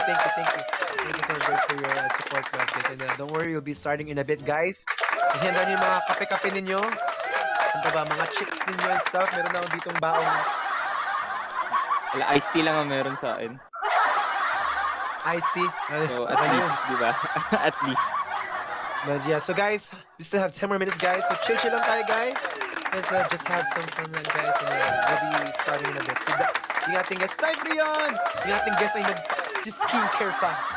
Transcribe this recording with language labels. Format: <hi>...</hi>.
<en>Thank you so much, guys, for your support for us, guys. And don't worry, we'll be starting in a bit, guys.</en> <tl>Handa niyo yung mga kape-kape ninyo. Ano ba, mga chips ninyo</tl> <en>and stuff.</en> <tl>Meron na ako ditong baong. Wala, iced tea lang ang meron sa akin.</tl> <en>Iced tea? At least,</en> <tl>di ba?</tl> <en>At least. But yeah, so guys, we still have 10 more minutes, guys. So chill</en> <tl>lang tayo,</tl> <en>guys. Let's just have some fun lang, guys. And we'll be starting in a bit. So,</en> <tl>yung ating guest,</tl> <en>time for yun!</en> <tl>Yung ating guest ay</tl> <en>just skincare</en> <tl>pa.</tl>